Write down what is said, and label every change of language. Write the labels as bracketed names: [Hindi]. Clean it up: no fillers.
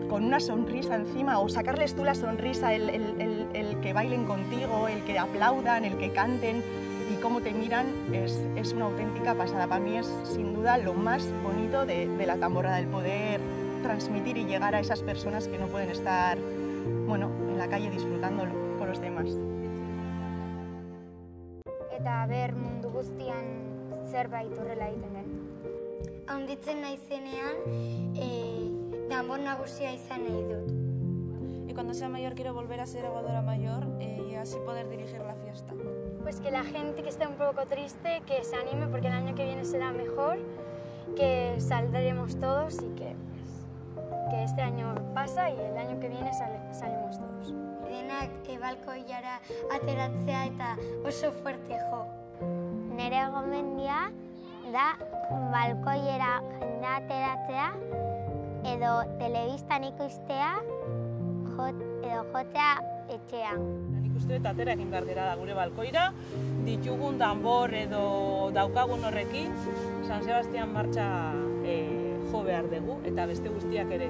[Spanish] con una sonrisa encima, o sacarles tú la sonrisa, el que bailen contigo, el que aplaudan, el que canten y cómo te miran, es una auténtica pasada. Para mí es sin duda lo más bonito de la tamborrada, el poder transmitir y llegar a esas personas que no pueden estar, bueno, en la calle disfrutándolo con los demás. [Basque] Eta ber mundu guztian zerbait horrela egiten den. Haunditzen naizenean, danbor nagusia izan nahi dut. [Spanish] Y cuando sea mayor quiero volver a ser aguadora mayor y así poder dirigir la fiesta. Pues que la gente que esté un poco triste, que se anime porque el año que viene será mejor, que saldremos todos y que, pues, que este año pasa y el año que viene salimos todos. [Basque] Denak balkoiara ateratzea eta oso fuerte jo. Nere gomendia da balkoiera jendea ateratzea edo telebistan ikustea edo jotzea etxean. Nik uste eta atera egin behar dira da gure balkoira, ditugun danbor edo daukagun horrekin, San Sebastian martxa jo behar dugu, eta beste guztiak ere.